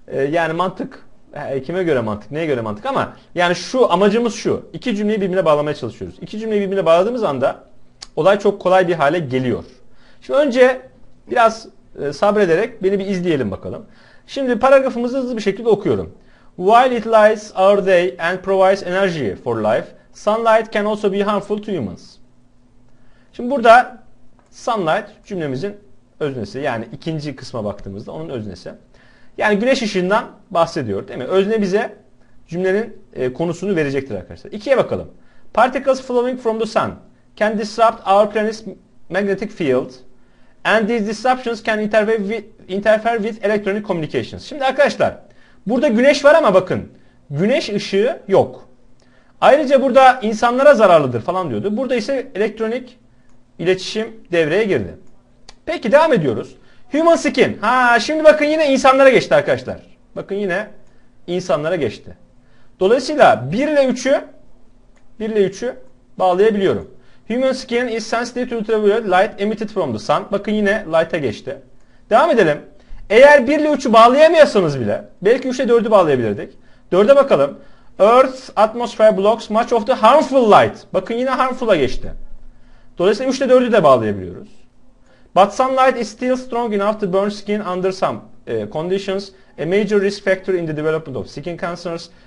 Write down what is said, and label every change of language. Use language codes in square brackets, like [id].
[tr] Yani mantık, kime göre mantık, neye göre mantık ama yani şu amacımız şu. İki cümleyi birbirine bağlamaya çalışıyoruz. İki cümleyi birbirine bağladığımız anda olay çok kolay bir hale geliyor. Şimdi önce biraz sabrederek beni bir izleyelim bakalım. Şimdi paragrafımızı hızlı bir şekilde okuyorum. [en] While it lights our day and provides energy for life, sunlight can also be harmful to humans. [tr] Şimdi burada sunlight cümlemizin öznesi, yani ikinci kısma baktığımızda onun öznesi. Yani güneş ışığından bahsediyor, değil mi? Özne bize cümlenin konusunu verecektir arkadaşlar. İkiye bakalım. [en] Particles flowing from the sun can disrupt our planet's magnetic field And these disruptions can interfere with electronic communications. [tr] Şimdi arkadaşlar, burada güneş var ama bakın, güneş ışığı yok. Ayrıca burada insanlara zararlıdır falan diyordu. Burada ise elektronik iletişim devreye girdi. Peki devam ediyoruz. [en] Human skin. [tr] Ha, şimdi bakın yine insanlara geçti arkadaşlar. Bakın yine insanlara geçti. Dolayısıyla 1 ile 3'ü bağlayabiliyorum. [en] Human skin is sensitive to ultraviolet light emitted from the sun. [tr] Bakın yine light'a geçti. Devam edelim. Eğer 1 ile 3'ü bağlayamıyorsanız bile, belki 3 ile 4'ü bağlayabilirdik. 4'e bakalım. [en] Earth's atmosphere blocks much of the harmful light. [tr] Bakın yine harmful'a geçti. Dolayısıyla 3 ile 4'ü de bağlayabiliyoruz. [en] But sunlight is still strong enough to burn skin under some conditions. A major risk factor in the development of skin cancers.